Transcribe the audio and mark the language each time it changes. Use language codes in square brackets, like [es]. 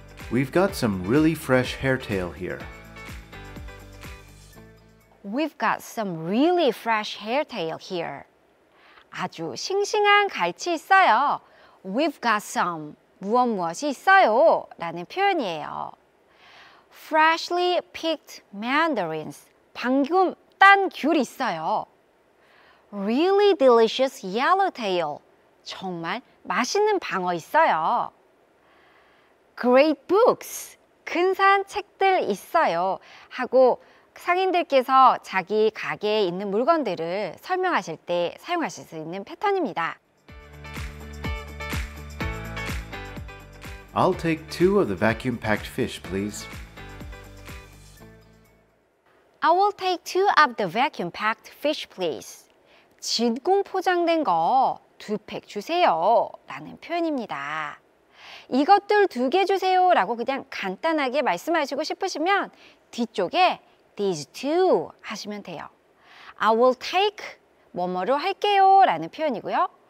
[en] 'We've got some really fresh hair tail here. We've got some really fresh hair tail here. [ko] 아주 싱싱한 갈치 있어요. [en] We've got some. [ko] 무엇무엇이 있어요? 라는 표현이에요. [en] Freshly picked mandarins. [ko] 방금 딴 귤 있어요. [en] Really delicious yellowtail. [ko] 정말 맛있는 방어 있어요. [en] Great books. [ko] 근사한 책들 있어요. 하고 상인들께서 자기 가게에 있는 물건들을 설명하실 때 사용하실 수 있는 패턴입니다. [en] I'll take two of the vacuum-packed fish, please. I will take two of the vacuum-packed fish, please. [ko] 진공 포장된 거 두 팩 주세요 라는 표현입니다. 이것들 두 개 주세요 라고 그냥 간단하게 말씀하시고 싶으시면 뒤쪽에 [en] these two [ko] 하시면 돼요. [en] I will take [ko] 뭐뭐로 할게요 라는 표현이고요.